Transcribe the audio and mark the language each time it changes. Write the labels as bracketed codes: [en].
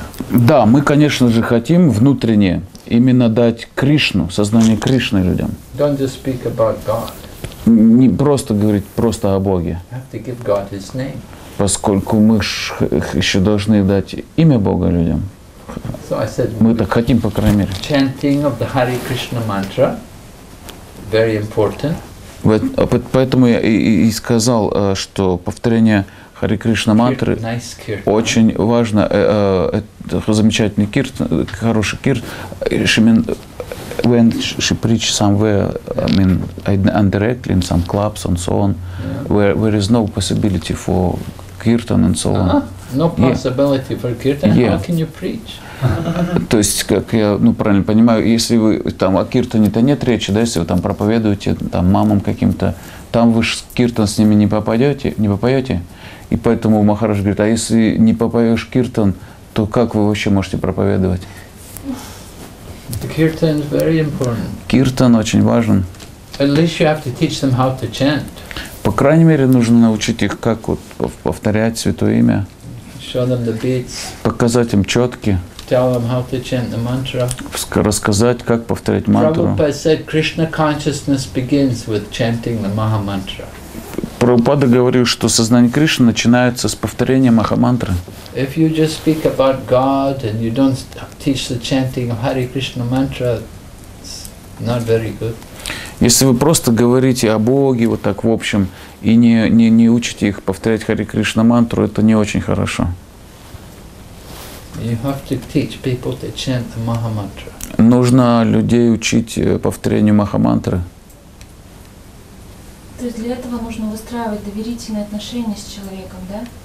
[ru] Да, мы, конечно же, хотим внутренне именно дать Кришну, сознание Кришны людям. [en] Don't just speak about God. [ru] Не просто говорить просто о Боге. [en] You have to give God his name. [ru] Поскольку мы еще должны дать имя Бога людям. [en] So I said, [ru] мы так хотим, по крайней мере. [en] Chanting of the Hare Krishna mantra, very important. [ru] Поэтому я и сказал, что повторение Хари Кришна мантры очень важно. Это замечательный хороший киртан. [en] She mean, when she preach somewhere, indirectly in some clubs and so on, where is no possibility for kirtan and so on. No possibility for kirtan. How can you preach? [ru] То есть, как я правильно понимаю, если вы там о киртане-то нет речи, да, если вы там проповедуете там мамам каким-то, там вы же киртан с ними не попоете. И поэтому Махарадж говорит, а если не попоешь киртан, то как вы вообще можете проповедовать? [en] Киртан very important. [ru] Киртан очень важен. [en] At least you have to teach them how to chant. [ru] По крайней мере, нужно научить их, как повторять святое имя. [en] Show them the beats. [ru] Показать им четки. [en] Tell them how to chant the mantra. [ru] Рассказать, как повторять мантру. [en] Prabhupada said, Krishna consciousness begins with chanting the Maha mantra. [ru] Прабхупада говорил, что сознание Кришны начинается с повторения Махамантры. [en] If you just speak about God and you don't teach the chanting of Hare Krishna mantra, it's not very good. [ru] Если вы просто говорите о Боге, вот так в общем, и не учите их повторять Хари Кришна мантру, это не очень хорошо. [en] You have to teach people to chant the Maha mantra. [ru] Нужно людей учить повторению Махамантры. То есть для этого нужно выстраивать доверительные отношения с человеком, да?